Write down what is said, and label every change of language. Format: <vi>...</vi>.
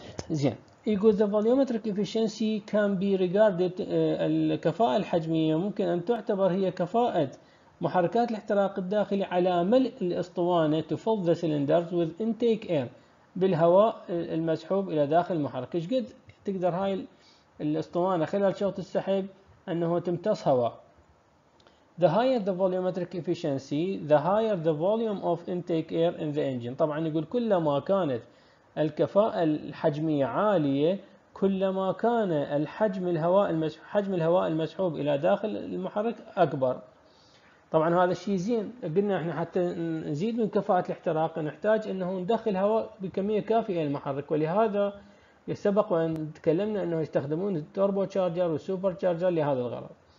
<ar>زين، يقول</ar> <en>the volumetric efficiency can be regarded</en> <ar>الكفاءة الحجمية ممكن أن تعتبر هي كفاءة محركات الاحتراق الداخلي على ملء الأسطوانة</ar> <en>to fill the cylinders with intake air</en> <ar>بالهواء المسحوب إلى داخل المحرك. إيش قد تقدر هاي الأسطوانة خلال شوط السحب أنه تمتص هواء.</ar> <en>The higher the volumetric efficiency, the higher the volume of intake air in the engine.</en> <ar>طبعا يقول كلما كانت الكفاءة الحجمية عالية كلما كان حجم الهواء المسحوب إلى داخل المحرك أكبر. طبعا هذا الشيء زين، قلنا احنا حتى نزيد من كفاءة الاحتراق نحتاج انه ندخل هواء بكمية كافية إلى المحرك، ولهذا سبق وان تكلمنا انه يستخدمون التوربو تشارجر والسوبر تشارجر لهذا الغرض.</ar>